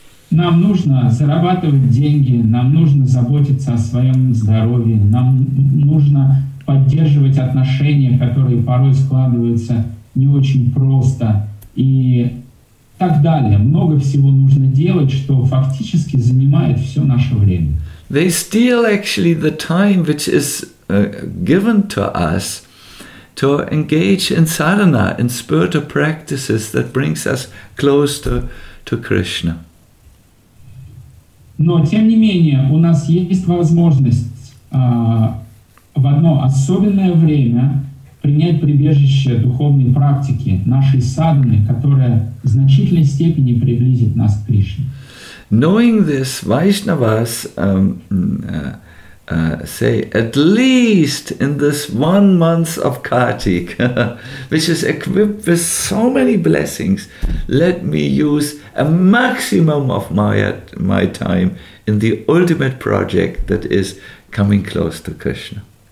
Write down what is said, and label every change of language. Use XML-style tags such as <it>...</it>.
<ru>Нам нужно зарабатывать деньги, нам нужно заботиться о своем здоровье, нам нужно поддерживать отношения, которые порой складываются не очень просто, и так далее. Много всего нужно делать, что фактически занимает все наше время.</ru> <en>they steal actually the time which is given to us to engage in sadhana, in spiritual practices that brings us close to Krishna.</en> <ru>Но тем не менее у нас есть возможность в одно особенное время принять прибежище духовной практики нашей садханы, которая в значительной степени приблизит нас к Кришне.</ru> <en>Knowing this, Vaishnavas say at least in this 1 month of Kartik, which is equipped with so many blessings, let me use a maximum of my time in the ultimate project that is coming close to Krishna.</en>